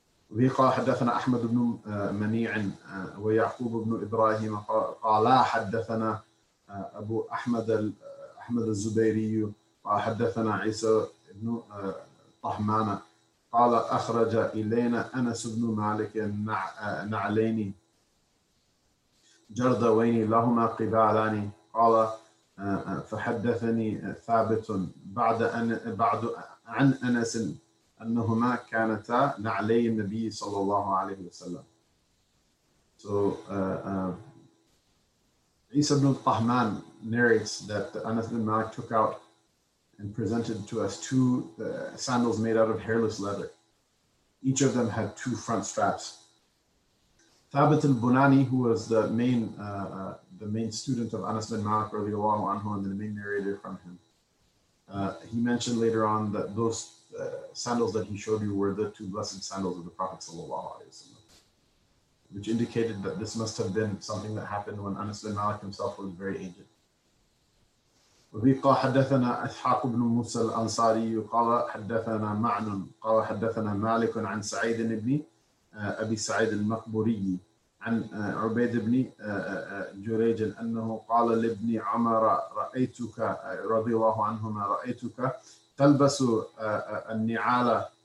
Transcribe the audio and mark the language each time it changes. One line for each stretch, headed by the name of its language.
Arabic: وقال حدثنا أحمد بن منيع ويعقوب بن إبراهيم قال حدثنا أبو أحمد أحمد الزبيري حدثنا عيسى بن طهمان قال أخرج إلينا أنس بن مالك نعلين جردوين لهما قبالان قال فحدثني ثابت بعد عن أنس أنهما كانتا نعلي النبي صلى الله عليه وسلم.
English: So عيسى بن طهمان narrates that Anas bin Malik took out and presented to us two sandals made out of hairless leather. Each of them had two front straps. Thabit al-Bunani, who was the main student of Anas bin Malik
Arabic: radiallahu anhu
English: and the main narrator from him, he mentioned later on that those sandals that he showed you were the two blessed sandals of the Prophet
Arabic: sallallahu alaihi wasallam,
English: which indicated that this must have been something that happened when Anas bin Malik himself was very aged.
Arabic: وبيقى حدثنا إسحاق بن موسى الأنصاري قال حدثنا معن قال حدثنا مالك عن سعيد بن أبي سعيد المقبوري عن عبيد بن جريج أنه قال لابن عمر رأيتك رضي الله عنهما رأيتك تلبس النعال